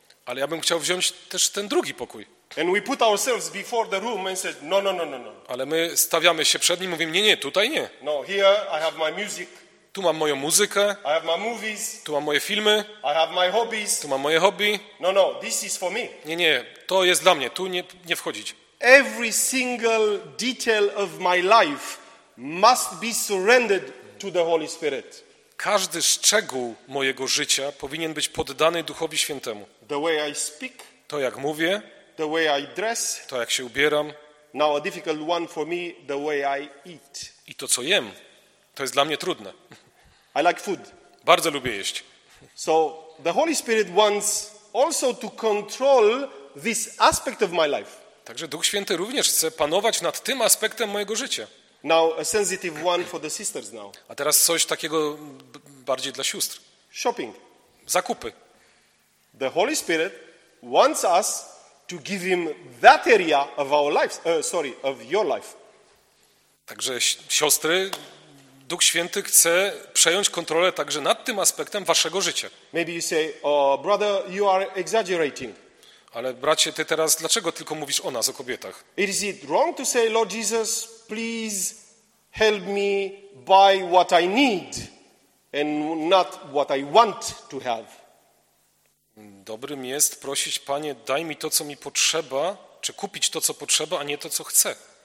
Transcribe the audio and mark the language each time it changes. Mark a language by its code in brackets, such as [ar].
[pl] Ale ja bym chciał wziąć też ten drugi pokój. [en] And we put ourselves before the room and said, no, no, no, no, no. [pl] Ale my stawiamy się przed nim, mówimy, nie, nie, tutaj nie. [en] No, here I have my music. [pl] Tu mam moją muzykę. [en] I have my movies. [pl] Tu mam moje filmy. [en] I have my hobbies. [pl] Tu mam moje hobby. [en] No, no, this is for me. [pl] Nie, nie, to jest dla mnie, tu nie wchodzić. [en] Every single detail of my life must be surrendered to the Holy Spirit. [pl] Każdy szczegół mojego życia powinien być poddany Duchowi Świętemu. [en] The way I speak. [pl] To jak mówię. [en] The way I dress. [pl] To jak się ubieram. [en] Now a difficult one for me, the way I eat. [pl] I to co jem. To jest dla mnie trudne. [en] I like food. [pl] Bardzo lubię jeść. [en] So the Holy Spirit wants also to control this aspect of my life. [pl] Także Duch Święty również chce panować nad tym aspektem mojego życia. [en] Now a sensitive one for the sisters now. [pl] A teraz coś takiego bardziej dla sióstr. [en] Shopping. [pl] Zakupy. [en] The Holy Spirit wants us to give him that area of our lives, of your life. [pl] Także siostry, Duch Święty chce przejąć kontrolę także nad tym aspektem waszego życia. [en] Maybe you say, oh, brother, you are exaggerating. [pl] Ale bracie, ty teraz dlaczego tylko mówisz o nas, o kobietach? [en] Is it wrong to say, Lord Jesus, please help me buy what I need and not what I want to have? [pl] Dobrym jest prosić, Panie, daj mi to, co mi potrzeba, czy kupić to, co potrzeba, a nie to, co chcę.